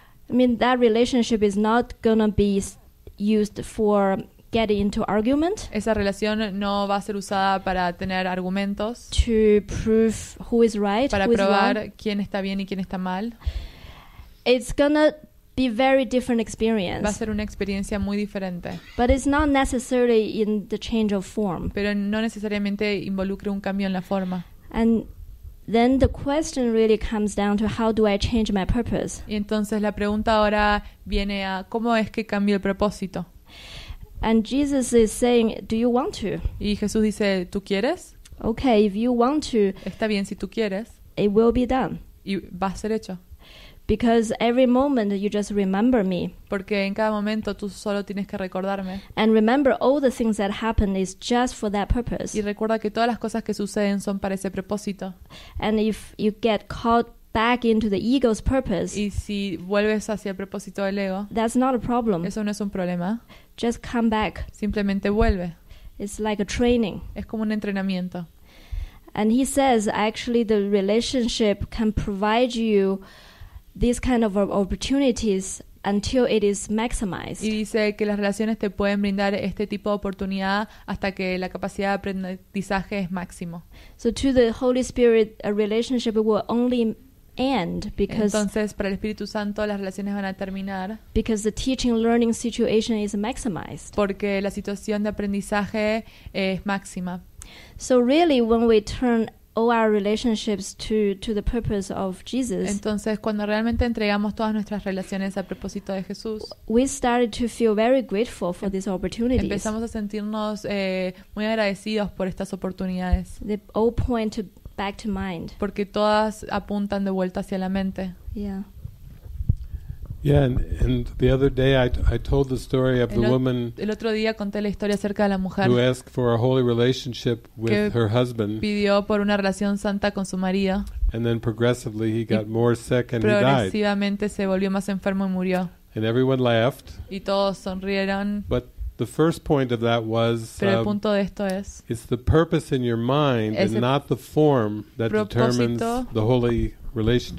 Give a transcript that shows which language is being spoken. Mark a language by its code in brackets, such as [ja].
[en] I mean that relationship is not gonna be used for get into argument. [es] Esa relación no va a ser usada para tener argumentos. [en] To prove who is right, [es] para [en] who is [es] probar [en] wrong. [es] Quién está bien y quién está mal. [en] it's gonna be very different experience. [es] Va a ser una experiencia muy diferente. [en] But it's not necessarily in the change of form. [es] Pero no necesariamente involucre un cambio en la forma. [en] And then the question really comes down to how do I change my purpose? [es] Y entonces la pregunta ahora viene a ¿cómo es que cambio el propósito? [en] And Jesus is saying, do you want to? [es] Y Jesús dice, ¿tú quieres? [en] Okay, if you want to. [es] Está bien si tú quieres. [en] It will be done. [es] Y va a ser hecho. [en] Because every moment you just remember me. [es] Porque en cada momento tú solo tienes que recordarme. [en] And remember all the things that happen is just for that purpose. [es] Y recuerda que todas las cosas que suceden son para ese propósito. [en] And if you get caught back into the ego's purpose. [es] Y si vuelves hacia el propósito del ego. [en] That's not a problem. [es] Eso no es un problema. [en] Just come back. [es] Simplemente vuelve. [en] It's like a training. [es] Es como un entrenamiento. [en] And he says actually the relationship can provide you these kind of opportunities until it is maximized. [es] Y dice que las relaciones te pueden brindar este tipo de oportunidad hasta que la capacidad de aprendizaje es máximo. [en] So to the Holy Spirit, a relationship will only end because. [es] Entonces, para el Espíritu Santo, las relaciones van a terminar. [en] Because the teaching-learning situation is maximized. [es] Porque la situación de aprendizaje es máxima. [en] So really, when we turn all our relationships to the purpose of Jesus. [es] Entonces, cuando realmente entregamos todas nuestras relaciones al propósito de Jesús, [en] we started to feel very grateful for these opportunities. [es] Empezamos a sentirnos muy agradecidos por estas oportunidades. [en] They all point to back to mind. [es] Porque todas apuntan de vuelta hacia la mente. [en] Yeah. Yeah, and the other day I told the story of the woman. [es] El otro día conté la historia acerca de la mujer. [en] Who asked for a holy relationship with her husband. [es] Pidió por una relación santa con su marido. [en] And then progressively he got more sick and he died. [es] Progresivamente se volvió más enfermo y murió. [en] And everyone laughed. [es] Y todos sonrieron. [en] But the first point of that was it's the purpose in your mind and not the form that determines the holy relationship.